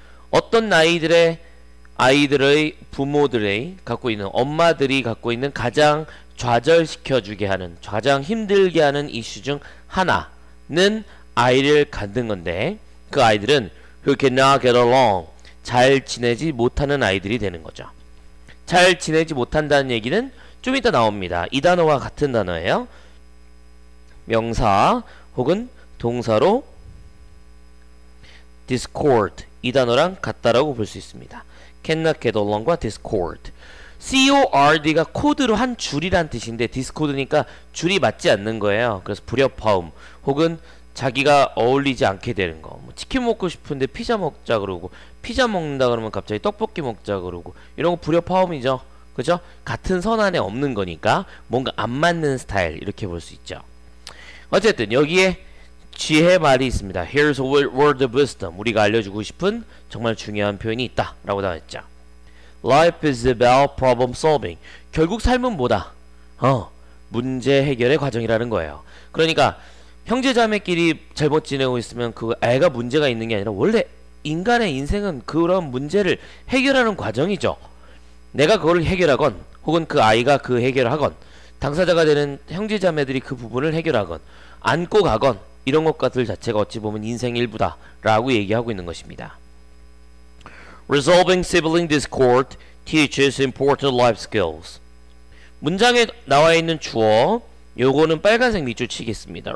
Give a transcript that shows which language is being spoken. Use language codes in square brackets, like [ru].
[ko] 어떤 아이들의 부모들의 갖고 있는 엄마들이 갖고 있는 가장 좌절시켜주게 하는 가장 힘들게 하는 이슈 중 하나는 아이를 갖는 건데 그 아이들은 [en] who cannot get along [ko] 잘 지내지 못하는 아이들이 되는 거죠. 잘 지내지 못한다는 얘기는 좀 이따 나옵니다. 이 단어와 같은 단어예요. 명사 혹은 동사로 discord 이 단어랑 같다라고 볼수 있습니다. [en] cannot get along과 discord. [ko] CORD가 코드로 한 줄이란 뜻인데 디스코드니까 줄이 맞지 않는 거예요. 그래서 불협화음 혹은 자기가 어울리지 않게 되는 거. 뭐 치킨 먹고 싶은데 피자 먹자 그러고 피자 먹는다 그러면 갑자기 떡볶이 먹자 그러고 이런 거 불협화음이죠. 그죠? 같은 선 안에 없는 거니까 뭔가 안 맞는 스타일 이렇게 볼수 있죠. 어쨌든 여기에 지혜 말이 있습니다. [en] Here's a word of wisdom. [ko] 우리가 알려주고 싶은 정말 중요한 표현이 있다 라고 나왔죠. [en] Life is about problem solving. [ko] 결국 삶은 뭐다? 문제 해결의 과정이라는 거예요. 그러니까 형제자매끼리 잘못 지내고 있으면 그 애가 문제가 있는 게 아니라 원래 인간의 인생은 그런 문제를 해결하는 과정이죠. 내가 그걸 해결하건 혹은 그 아이가 그 해결하건 당사자가 되는 형제자매들이 그 부분을 해결하건 안고 가건 이런 것들 자체가 어찌 보면 인생 일부다라고 얘기하고 있는 것입니다. [en] Resolving sibling discord teaches important life skills. [ko] 문장에 나와 있는 주어, 요거는 빨간색 밑줄 치겠습니다.